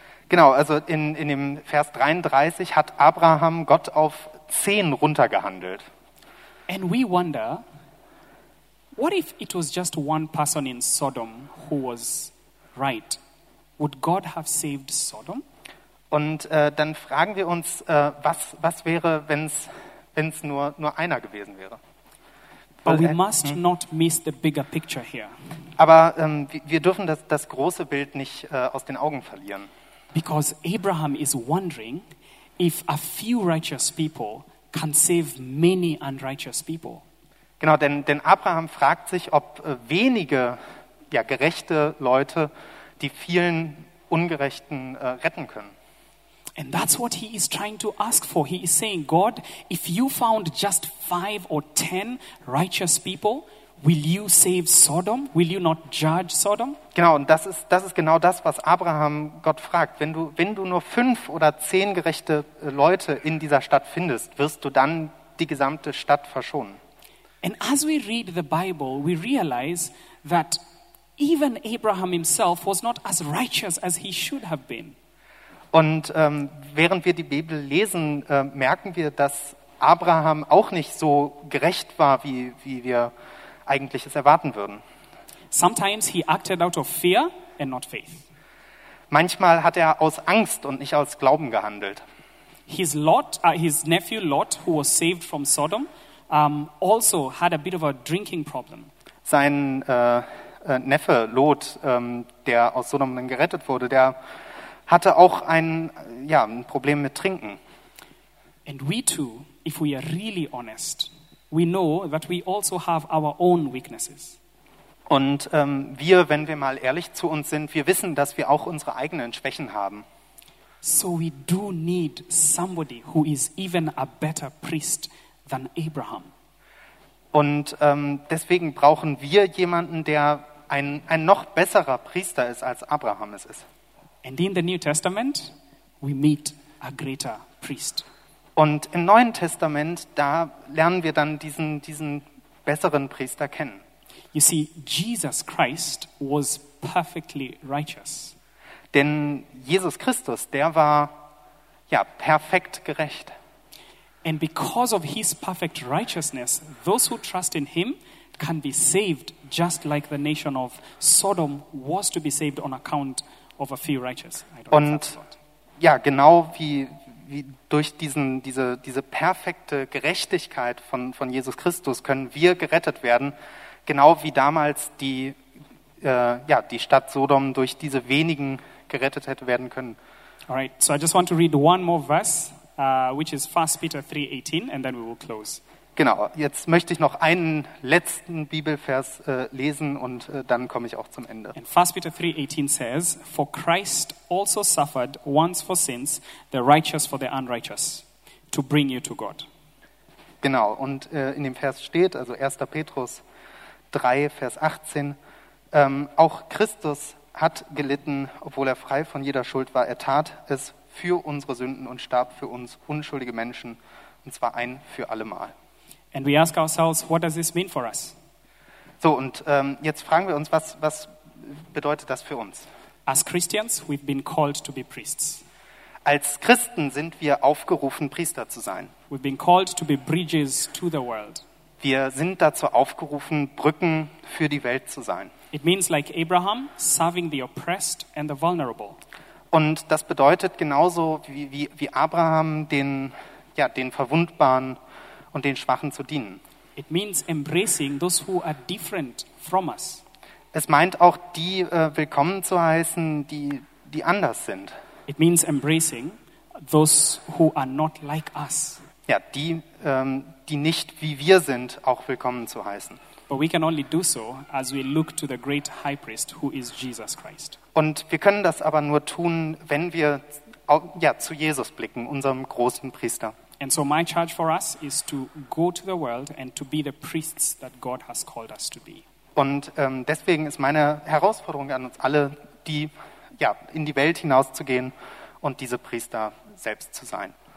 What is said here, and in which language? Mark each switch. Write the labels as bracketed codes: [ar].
[de] Genau, also in dem Vers 33 hat Abraham Gott auf 10 runtergehandelt. [en] And we wonder, what if it was just one person in Sodom who was right? Would God have saved Sodom? [de] Und dann fragen wir uns, was wäre, wenn's nur einer gewesen wäre? [en] But we must not miss the bigger picture here. [de] Aber wir dürfen das große Bild nicht aus den Augen verlieren. [en] Because Abraham is wondering if a few righteous people can save many unrighteous people. [de] Genau, denn Abraham fragt sich, ob wenige gerechte Leute die vielen Ungerechten retten können. [en] And that's what he is trying to ask for. He is saying, God, if you found just 5 or 10 righteous people, will you save Sodom? Will you not judge Sodom? [de] Genau, und das ist genau das, was Abraham Gott fragt. Wenn du nur 5 oder 10 gerechte Leute in dieser Stadt findest, wirst du dann die gesamte Stadt verschonen? [en] And as we read the Bible, we realize that even Abraham himself was not as righteous as he should have been. [de] Und während wir die Bibel lesen, merken wir, dass Abraham auch nicht so gerecht war, wie wir eigentlich es erwarten würden. [en] Sometimes he acted out of fear and not faith. [de] Manchmal hat er aus Angst und nicht aus Glauben gehandelt. [en] His nephew Lot, who was saved from Sodom, also had a bit of a drinking problem. [de] Sein Neffe Lot, der aus Sodom dann gerettet wurde, der hatte auch ein Problem mit Trinken. [en] And we too, if we are really honest, we know that we also have our own weaknesses. [de] Und wir, wenn wir mal ehrlich zu uns sind, wir wissen, dass wir auch unsere eigenen Schwächen haben. [en] So we do need somebody who is even a better priest than Abraham. [de] Und deswegen brauchen wir jemanden, der ein noch besserer Priester ist, als Abraham es ist. [en] And in the New Testament, we meet a greater priest. [de] Und im Neuen Testament, da lernen wir dann diesen besseren Priester kennen. [en] You see, Jesus Christ was perfectly righteous. [de] Denn Jesus Christus, der war perfekt gerecht. [en] And because of his perfect righteousness, those who trust in him can be saved, just like the nation of Sodom was to be saved on account of a few righteous. [de] Und genau wie durch diese perfekte Gerechtigkeit von Jesus Christus können wir gerettet werden, genau wie damals die Stadt Sodom durch diese wenigen gerettet hätte werden können. [en] All right, so I just want to read one more verse, which is 1 Peter 3:18, and then we will close. [de] Genau, jetzt möchte ich noch einen letzten Bibelvers lesen und dann komme ich auch zum Ende. [en] And 1 Peter 3:18 says, for Christ also suffered once for sins, the righteous for the unrighteous, to bring you to God. [de] Genau, und in dem Vers steht, also 1. Petrus 3, Vers 18, auch Christus hat gelitten, obwohl er frei von jeder Schuld war. Er tat es für unsere Sünden und starb für uns unschuldige Menschen, und zwar ein für alle Mal. [en] And we ask ourselves, what does this mean for us? [de] So, und jetzt fragen wir uns, was bedeutet das für uns? [en] As Christians, we've been called to be priests. [de] Als Christen sind wir aufgerufen, Priester zu sein. [en] We've been called to be bridges to the world. [de] Wir sind dazu aufgerufen, Brücken für die Welt zu sein. [en] It means like Abraham, serving the oppressed and the vulnerable. [de] Und das bedeutet genauso wie Abraham den Verwundbaren und den Schwachen zu dienen. [en] It means embracing those who are different from us. [de] Es meint auch die willkommen zu heißen, die anders sind. [en] It means embracing those who are not like us. [de] Ja, die nicht wie wir sind, auch willkommen zu heißen. [en] But we can only do so as we look to the great high priest who is Jesus Christ. [de] Und wir können das aber nur tun, wenn wir zu Jesus blicken, unserem großen Priester. [en] And so my charge for us is to go to the world and to be the priests that God has called us to be. [de] Und deswegen ist meine Herausforderung an uns alle, in die Welt hinauszugehen und diese Priester selbst zu sein.